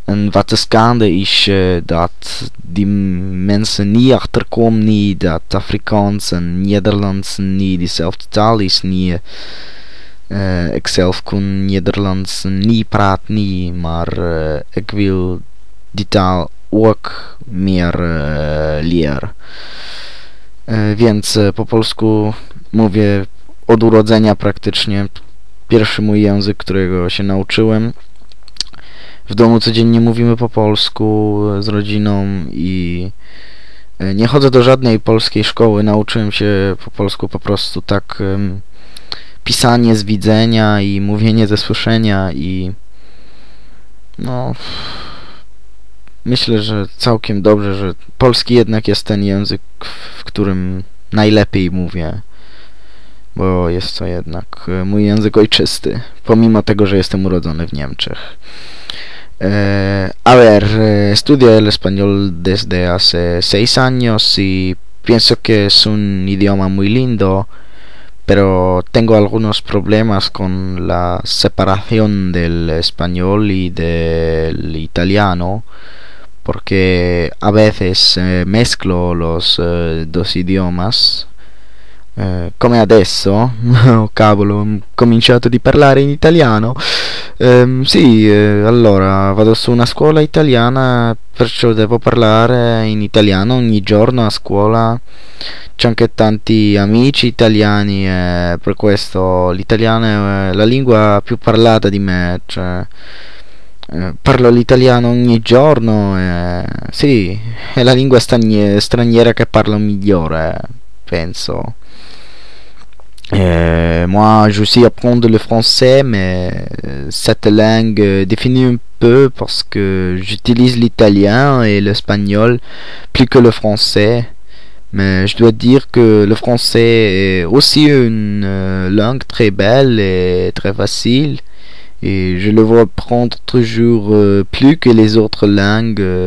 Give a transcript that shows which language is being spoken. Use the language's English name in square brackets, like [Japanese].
[Dutch] Wat is gaande is dat die mensen niet achterkomen, niet dat Afrikaans en Nederlands niet dezelfde taal is, niet. Ik zelf kon Nederlands niet praten, nie, maar ik wil die taal ook meer leren. [Polish] Więc po polsku mówię od urodzenia praktycznie. Pierwszy mój język, którego się nauczyłem. W domu codziennie mówimy po polsku z rodziną i nie chodzę do żadnej polskiej szkoły. Nauczyłem się po polsku po prostu tak pisanie z widzenia i mówienie ze słyszenia, i no myślę, że całkiem dobrze, że polski jednak jest ten język, w którym najlepiej mówię, bo jest to jednak mój język ojczysty, pomimo tego, że jestem urodzony w Niemczech. [Spanish] A ver, estudio el español desde hace 6 años y pienso que es un idioma muy lindo, pero tengo algunos problemas con la separación del español y del italiano, porque a veces mezclo los dos idiomas. [Italian] Come adesso, oh cavolo, ho cominciato di parlare in italiano. Sì, allora, vado su una scuola italiana, perciò devo parlare in italiano ogni giorno a scuola. C'è anche tanti amici italiani, per questo l'italiano è la lingua più parlata di me, cioè parlo l'italiano ogni giorno, sì, è la lingua straniera che parlo migliore, penso. [French] Moi, je sais apprendre le français, mais cette langue définit un peu parce que j'utilise l'italien et l'espagnol plus que le français. Mais je dois dire que le français est aussi une langue très belle et très facile, et je le vois apprendre toujours plus que les autres langues.